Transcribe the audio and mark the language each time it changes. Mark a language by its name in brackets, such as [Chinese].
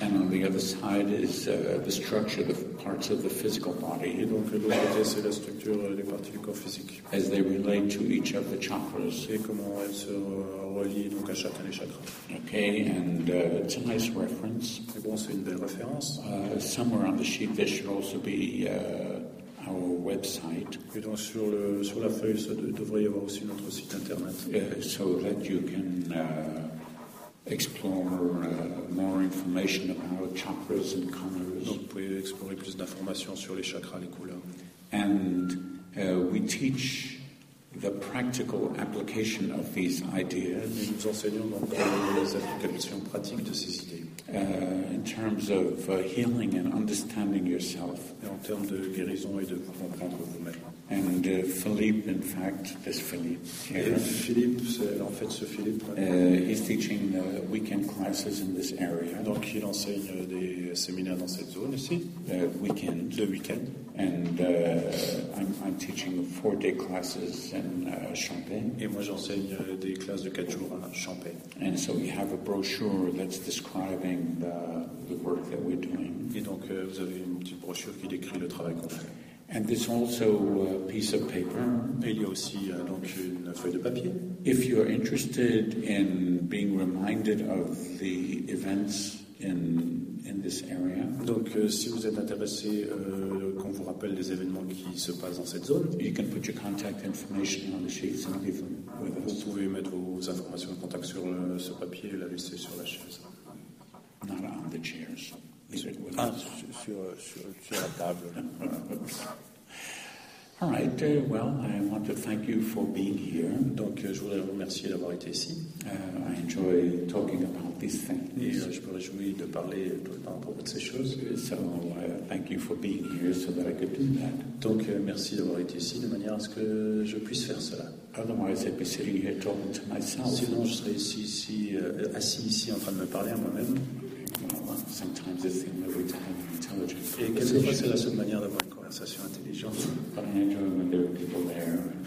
[English] And on the other side is the structure of parts of the physical body. [French] Et donc l'autre côté c'est la structure des parties du corps physique. [English] As they relate to each of the chakras. [French] Et comment elles se relient donc à chacun des chakras. [English] Okay, and it's a nice reference. [French] Et bon, c'est une belle référence. [English] Somewhere on the sheet there should also be our website. [French] Et donc sur le sur la feuille ça devrait y avoir aussi notre site internet. [English] So that you can explore more information about chakras and colors. [French] Donc vous pouvez explorer plus d'informations sur les chakras, les couleurs. [English] And we teach the practical application of these ideas. [French] Et nous enseignons donc les applications pratiques de ces idées. [English] In terms of healing and understanding yourself. [French] Et en termes de guérison et de vous comprendre vous-même. [English] And Philippe, in fact, this Philippe. [French] Et Philippe, en fait, ce Philippe. [English] He's teaching weekend classes in this area. [French] Donc, il enseigne des séminaires dans cette zone ici. [English] Weekend. [French] Le week-end. [English] And I'm teaching 4-day classes in Champaign. [French] Et moi, j'enseigne des classes de 4 jours à Champaign. [English] And so we have a brochure that's describing the work that we're doing. [French] Et donc, vous avez une petite brochure qui décrit le travail qu'on fait. [English] And this also a piece of paper. [French] Et il y a aussi donc une feuille de papier. [English] If you're interested in being reminded of the events in this area. [French] Donc si vous êtes intéressé qu'on vous rappelle les événements qui se passent dans cette zone, [English] you can put your contact information on the sheets and leave them with us. [French] Vous pouvez mettre vos informations de contact sur ce papier et la laisser sur la chaise. [English] Not on the chairs. [French] Sur la table. [English] All right. Well, I want to thank you for being here. [French] Donc, je voudrais vous remercier d'avoir été ici. [English] I enjoy talking about these things. [French] Et je me réjouis de parler tout le temps à propos de ces choses. [English] So, thank you for being here so that I could do that. [French] Donc, merci d'avoir été ici de manière à ce que je puisse faire cela. [English] Otherwise, I'd be sitting here talking to myself. [French] Sinon, je serais ici, assis ici en train de me parler à moi-même. [English] Sometimes it's the only way to have an intelligent conversation. [French] Et quelquefois c'est la seule manière d'avoir une conversation intelligente. [English] But I enjoy when there are people there.